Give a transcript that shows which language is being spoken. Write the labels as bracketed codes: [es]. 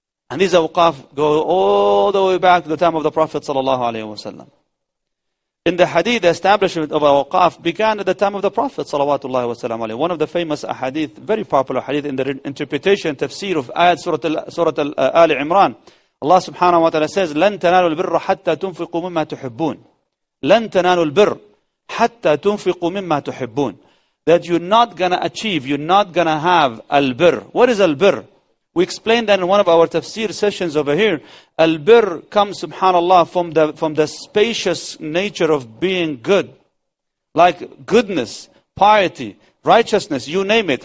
[en] And these awqaf go all the way back to the time of the Prophet sallallahu alayhi wa sallam. In the hadith, the establishment of awqaf began at the time of the Prophet sallallahu alayhi wa, one of the famous hadith, very popular hadith in the interpretation, tafsir of ayat Surah Al-Imran. Allah subhanahu wa ta'ala says, [ar] لَن تَنَالُوا الْبِرَّ حَتَّى تُنْفِقُوا مِمَّا تُحِبُّونَ. لَن تَنَالُوا الْبِرَّ حَتَّى تُنْفِقُوا مِمَّا تُحِبُّونَ. [en] That you're not going to achieve, you're not going to have al-birr. What is al-birr? We explained that in one of our tafsir sessions over here. Al-birr comes, subhanAllah, from the spacious nature of being good. Like goodness, piety, righteousness, you name it.